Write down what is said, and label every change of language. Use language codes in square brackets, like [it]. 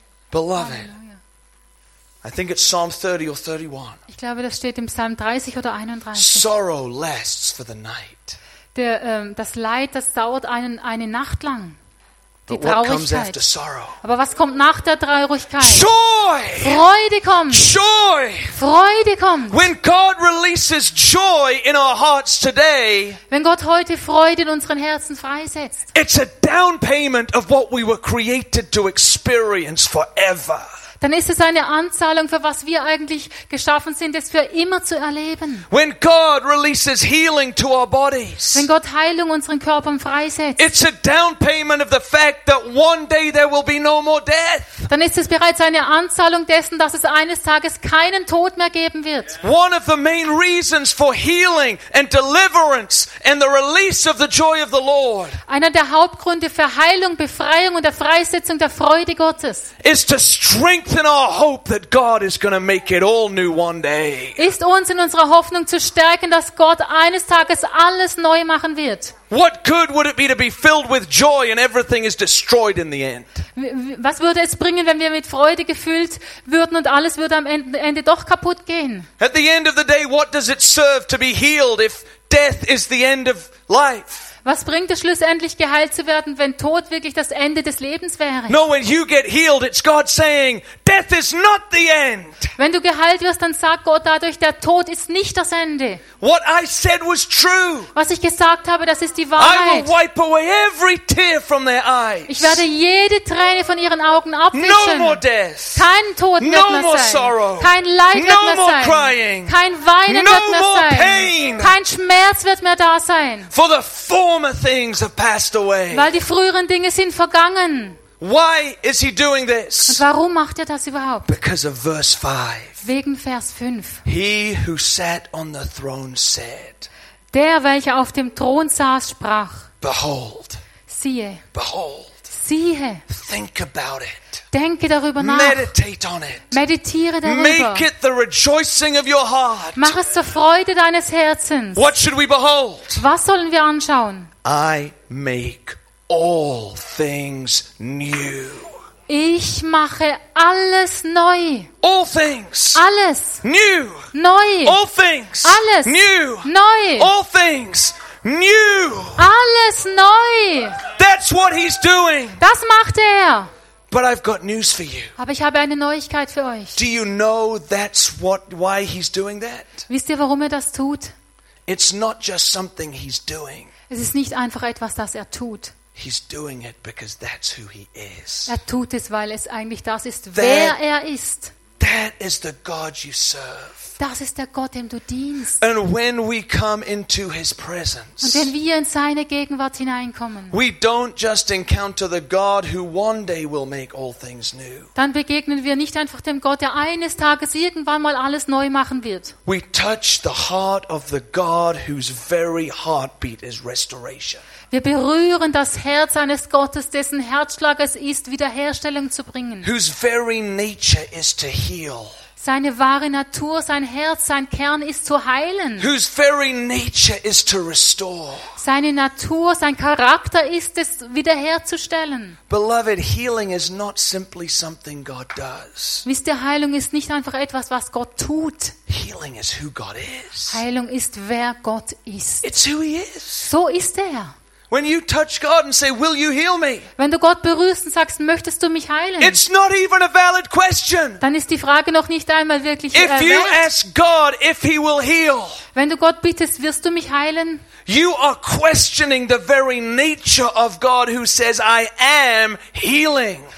[en] Beloved, I think it's Psalm 30 or 31. [de] Ich glaube, das steht im Psalm 30 oder 31. [en] Sorrow lasts for the night. [de] Das Leid, das dauert eine Nacht lang. Die Traurigkeit. Aber was kommt nach der Traurigkeit? [en] Joy! [de] Freude kommt. [en] Joy! [de] Freude kommt. [en] When God releases joy in our hearts today, [de] wenn Gott heute Freude in unseren Herzen freisetzt, [en] it's a down payment of what we were created to experience forever. [de] Dann ist es eine Anzahlung für was wir eigentlich geschaffen sind, es für immer zu erleben. [en] When God releases healing to our bodies, [de] wenn Gott Heilung unseren Körpern freisetzt, [en] it's a down payment of the fact that one day there will be no more death. [de] Dann ist es bereits eine Anzahlung dessen, dass es eines Tages keinen Tod mehr geben wird. [en] One of the main reasons for healing and deliverance and the release of the joy of the Lord. [de] Einer der Hauptgründe für Heilung, Befreiung und der Freisetzung der Freude Gottes ist [en] to strengthen. In our hope that God is going to make it all new one day. [de] Ist uns in unserer Hoffnung zu stärken, dass Gott eines Tages alles neu machen wird. [en] What good would it be to be filled with joy and everything is destroyed in the end? [de] Was würde es bringen, wenn wir mit Freude gefüllt würden und alles würde am Ende doch kaputt gehen? [en] At the end of the day, what does it serve to be healed if death is the end of life? [de] Was bringt es schlussendlich geheilt zu werden, wenn Tod wirklich das Ende des Lebens wäre? [en] No, when you get healed, it's God saying, death is not the end. [de] Wenn du geheilt wirst, dann sagt Gott dadurch, der Tod ist nicht das Ende. [en] What I said was true. [de] Was ich gesagt habe, das ist die Wahrheit. [en] I will wipe away every tear from their eyes. [de] Ich werde jede Träne von ihren Augen abwischen. [en] No more death. [de] Kein Tod [en] no [de] wird [en] more [de] mehr sein. [en] Sorrow. [de] Kein Leid [en] no [de] wird mehr [en] more [de] sein. [en] Crying. [de] Kein Weinen [en] no [de] wird mehr [en] more [de] sein. [en] Pain. [de] Kein Schmerz wird mehr da sein. [en] For the former things have passed away. [de] Weil die früheren Dinge sind vergangen. [en] Why is he doing this? [de] Und warum macht er das überhaupt? [en] Because of verse 5. [de] Wegen Vers 5. [en] He who sat on the throne said. [de] Der, welcher auf dem Thron saß, sprach. [en] Behold. [de] Siehe. [en] Behold. [de] Siehe. [en] Think about it. [de] Denke darüber nach. [en] Meditate on it. [de] Meditiere darüber. [en] Make it the rejoicing of your heart. [de] Mach es zur Freude deines Herzens. [en] What should we behold? [de] Was sollen wir anschauen? [en] I make all things new. [de] Ich mache alles neu. [en] All things. [de] Alles. [en] New. [de] Neu. [en] All things. [de] Alles. [en] New. [de] Neu. [en] All things. New. [de] Alles neu. [en] That's what he's doing. [de] Das macht er. [en] But I've got news for you. [de] Aber ich habe eine Neuigkeit für euch. [en] Do you know that's what why he's doing that? [de] Wisst ihr, warum er das tut? [en] It's not just something he's doing. [de] Es ist nicht einfach etwas, das er tut. [en] He's doing it because that's who he is. [de] Er tut es, weil es eigentlich das ist, wer er ist. [en] That is the God you serve. [de] Das ist der Gott, dem du dienst. [en] And when we come into his presence, [de] und wenn wir in seine Gegenwart hineinkommen, [en] we don't just encounter the God who one day will make all things new. [de] Dann begegnen wir nicht einfach dem Gott, der eines Tages irgendwann mal alles neu machen wird. [en] We touch the heart of the God whose very heartbeat is restoration. [de] Wir berühren das Herz eines Gottes, dessen Herzschlag es ist, Wiederherstellung zu bringen. [en] Whose very nature is to heal. [de] Seine wahre Natur, sein Herz, sein Kern ist zu heilen. [en] Whose very nature is to restore. [de] Seine Natur, sein Charakter ist es, wiederherzustellen. [en] Beloved, healing is not simply something God does. [de] Wisst ihr, Heilung ist nicht einfach etwas, was Gott tut. [en] Healing is who God is. [de] Heilung ist, wer Gott ist. [en] It's who he is. [de] So ist er. [en] When you touch God and say, "Will you heal me?" [de] Wenn du Gott berührst und sagst, möchtest du mich heilen? [en] It's not even a valid question. [de] Dann ist die Frage noch nicht einmal wirklich [en] valid. If you ask God if he will heal. [de] Wenn du Gott bittest, wirst du mich heilen? [en] You are questioning the very nature of God who says, "I am healing."